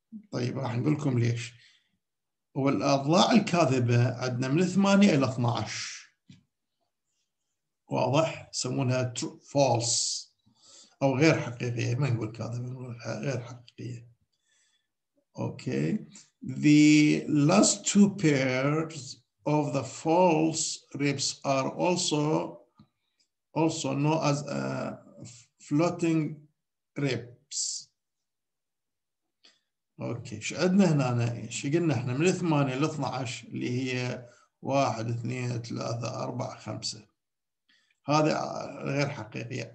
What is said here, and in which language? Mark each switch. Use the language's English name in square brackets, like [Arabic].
[Arabic] طيب راح نقول لكم ليش. والاضلاع الكاذبه عندنا من 8 الى 12 واضح، يسمونها فولس او غير حقيقيه، ما نقول كاذبه نقول غير حقيقيه. [English] Okay, the last two pairs of the false ribs are also known as floating ribs. [Arabic] اوكي، ايش عندنا هنا؟ ايش قلنا احنا من 8 ل 12 اللي هي 1 2 3 4 5 هذا غير حقيقيه.